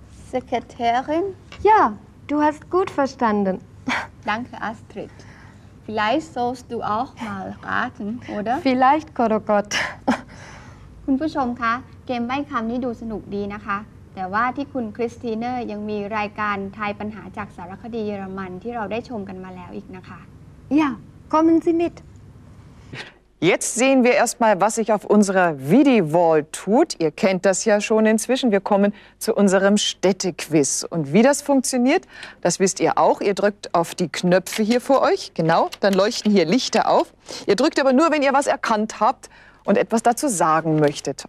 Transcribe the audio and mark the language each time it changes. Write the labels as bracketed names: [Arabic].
[German] Sekretärin? Ja, du hast gut verstanden. Danke, Astrid. Vielleicht sollst du auch mal raten, oder? Vielleicht, Korokot. [Thai] คุณผู้ชมคะเกมใบ้คำนี้ดูสนุกดีนะคะแต่ว่าที่คุณคริสติเนอร์ยังมีรายการทายปัญหาจากสารคดีเยอรมันที่เราได้ชมกันมาแล้วอีกนะคะ [German] Ja, kommen Sie mit. Jetzt sehen wir erstmal, was sich auf unserer Vidi-Wall tut. Ihr kennt das ja schon inzwischen. Wir kommen zu unserem Städtequiz. Und wie das funktioniert, das wisst ihr auch. Ihr drückt auf die Knöpfe hier vor euch. Genau, dann leuchten hier Lichter auf. Ihr drückt aber nur, wenn ihr was erkannt habt und etwas dazu sagen möchtet.